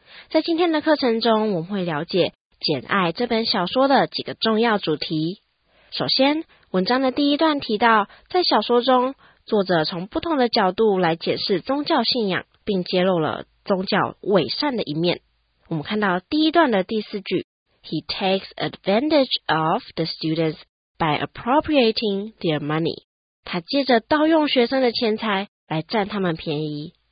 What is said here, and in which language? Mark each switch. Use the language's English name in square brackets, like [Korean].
[Chinese] 在今天的课程中，我们会了解《简爱》这本小说的几个重要主题。首先，文章的第一段提到，在小说中，作者从不同的角度来解释宗教信仰，并揭露了宗教伪善的一面。我们看到第一段的第四句。 [English] He takes advantage of the students by appropriating their money. [Chinese] 他借着盗用学生的钱财来占他们便宜。